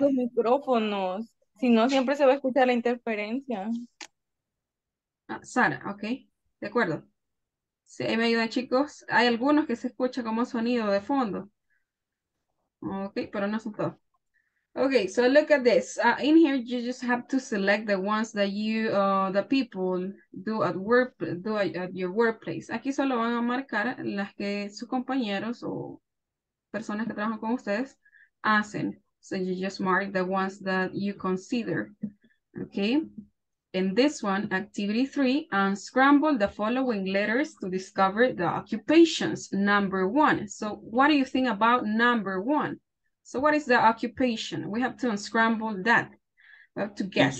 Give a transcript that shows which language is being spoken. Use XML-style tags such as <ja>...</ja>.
<es>Los micrófonos, si no siempre se va a escuchar la interferencia. Sara, okay, de acuerdo. Sí, me ayudan, chicos. Hay algunos que se escucha como sonido de fondo. Ok, pero no son todos. Ok, so look at this.</es> <en>In here, you just have to select the ones that you, the people do at your workplace.</en> <es>Aquí solo van a marcar las que sus compañeros o personas que trabajan con ustedes hacen.</es> <en>So you just mark the ones that you consider. Ok. In this one, activity 3, unscramble the following letters to discover the occupations. Number 1. So what do you think about number 1? So what is the occupation? We have to unscramble that. We have to guess.</en>